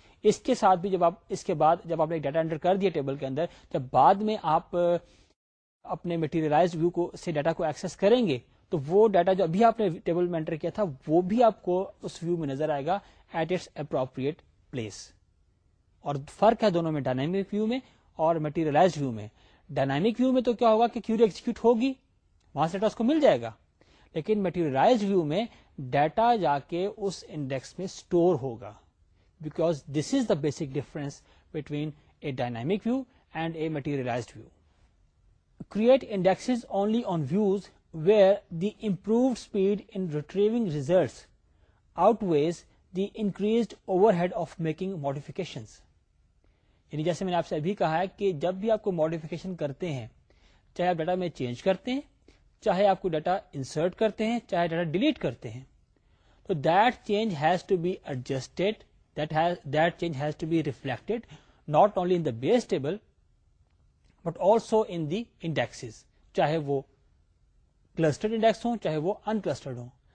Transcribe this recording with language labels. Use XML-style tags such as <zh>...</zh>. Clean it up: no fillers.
<ur>اس کے ساتھ بھی جب آپ اس کے بعد جب آپ نے ڈیٹا انٹر کر دیا ٹیبل کے اندر, جب بعد میں آپ اپنے میٹیریلائز ویو کو سے ڈیٹا کو ایکسس کریں گے, تو وہ ڈیٹا جو ابھی آپ نے ٹیبل میں انٹر کیا تھا وہ بھی آپ کو اس ویو میں نظر آئے گا</ur> <en>At its appropriate place.</en> <ur>اور فرق ہے دونوں میں, ڈائنامک ویو میں اور میٹیریلائز ویو میں. ڈائنامک ویو میں تو کیا ہوگا کہ کیوری ایکزیکیوٹ ہوگی, وہاں سے ڈیٹا اس کو مل جائے گا, لیکن میٹیریلائز ویو میں ڈیٹا جا کے اس انڈیکس میں اسٹور ہوگا.</ur> <en>Because this is the basic difference between a dynamic view and a materialized view. Create indexes only on views where the improved speed in retrieving results outweighs the increased overhead of making modifications.</en> <ur>یعنی جیسے میں نے آپ سے ابھی کہا ہے کہ جب بھی آپ کو modification کرتے ہیں, چاہے آپ ڈیٹا میں چینج کرتے ہیں, چاہے آپ کو ڈیٹا انسرٹ کرتے ہیں, چاہے ڈیٹا ڈیلیٹ کرتے ہیں, تو</ur> <en>that change has to be adjusted, that change has to be reflected not only in the base table but also in the indexes,</en> <ur>چاہے وہ clustered index ہوں چاہے وہ unclustered ہوں.</ur>